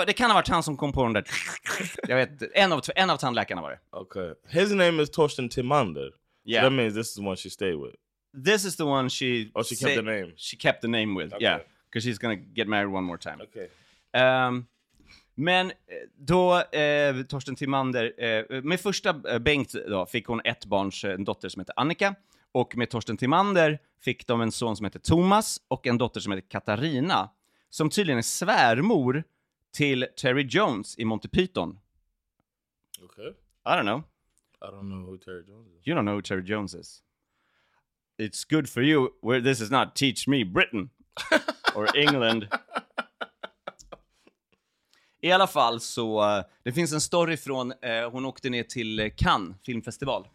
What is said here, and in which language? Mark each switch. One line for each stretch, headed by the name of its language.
Swedish: Det kan ha varit han som kom på den där. Jag vet, en av tandläkarna var det.
English: Okay. His name is Torsten Timander. Yeah. So that means this is the one she stayed with. This is the one she... Oh, she kept the name. She kept the name with, okay. Yeah. Because she's gonna get married one more time. Okay.
Swedish: Men då, Torsten Timander, med första Bengt då, fick hon ett barns en dotter som heter Annika. Och med Torsten Timander fick de en son som heter Thomas och en dotter som heter Katarina. Som tydligen är svärmor till Terry Jones i Monty Python. Okej.
English: Okay. I don't know. I don't know who Terry Jones is. You don't know who Terry Jones is. It's good for you. Where this is not teach me Britain. Or England.
Swedish: I alla fall så, det finns en story från, hon åkte ner till Cannes filmfestival.